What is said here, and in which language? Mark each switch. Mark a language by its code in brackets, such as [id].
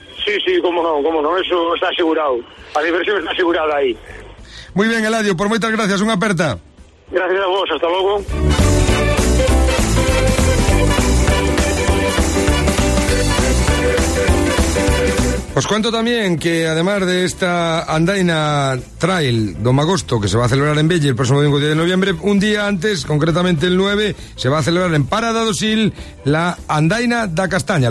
[gl] Sí, como non, [es] eso está asegurado. [gl] A diversión está asegurada aí. Muy ben, Eladio, por moitas gracias, unha aperta. Gracias a vos, hasta logo. [es] Os cuento tamén que, además de esta andaina trail do Magosto, que se va a celebrar en Vélez el próximo domingo 10 de noviembre, un día antes, concretamente el 9, se va a celebrar en Parada do Sil la andaina da Castaña.